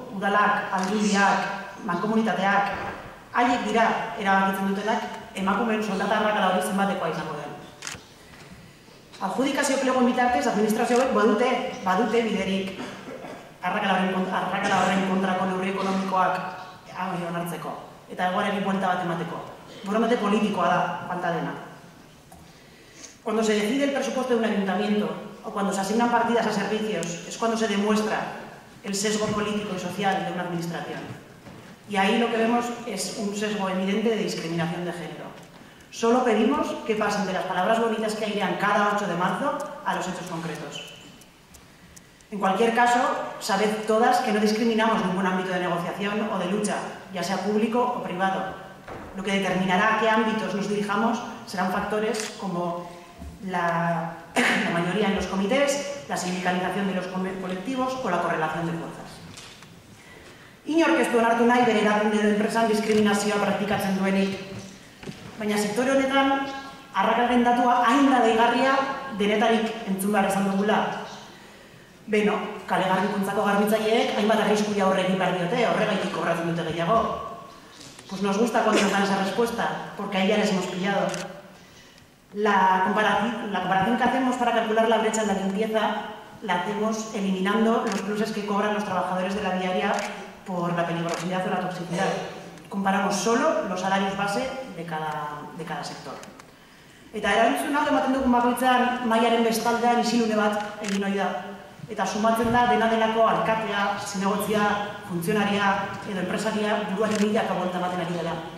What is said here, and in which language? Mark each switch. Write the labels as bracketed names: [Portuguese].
[Basque] Udalak, aldundiak, mankomunitateak, haiek dira erabakitzen dutenak, emakumeen soldata arrakala hori zenbatekoa izango den. Adjudikazio plegoen bitartez, administrazioek badute biderik arrakala horren kontrako neurri ekonomikoak onartzeko eta egoaren buelta bat emateko. Borondate politikoa da, falta dena. [Spanish] Cuando se decide el presupuesto de un ayuntamiento o cuando se asignan partidas a servicios, es cuando se demuestra el sesgo político y social de una administración. Y ahí lo que vemos es un sesgo evidente de discriminación de género. Solo pedimos que pasen de las palabras bonitas que airean cada 8 de marzo a los hechos concretos. En cualquier caso, sabed todas que no discriminamos ningún ámbito de negociación o de lucha, ya sea público o privado. Lo que determinará a qué ámbitos nos dirijamos serán factores como la mayoría en los comités, la sindicalización de los colectivos o la correlación de fuerzas. [Basque] Inork ez duen hartu nahi bere erakunde edo enpresan diskriminazioa praktikatzen duenik. Baina sektore honetan, arrakalaren datua hain da deigarria denetarik entzun behar izan dugula. Beno, kale garbikuntzako garbitzaileek hainbat arriskuia horrekin behar diote, horregaitik kobratzen dute gehiago. [Spanish] Pues nos gusta contestar esa respuesta, porque ahí ya les hemos pillado. La comparación que hacemos para calcular la brecha en la limpieza la hacemos eliminando los pluses que cobran los trabajadores de la diaria por la peligrosidad o la toxicidad. Comparamos solo los salarios base de cada sector. [Basque] Eta erantzun alde ematen dugun bakoitzean mailaren bestaldean isilune bat egin ohi da. Eta sumatzen da dena delako alkatea, zinegotzia, funtzionaria edo enpresaria buruaren milaka buelta ematen ari dela.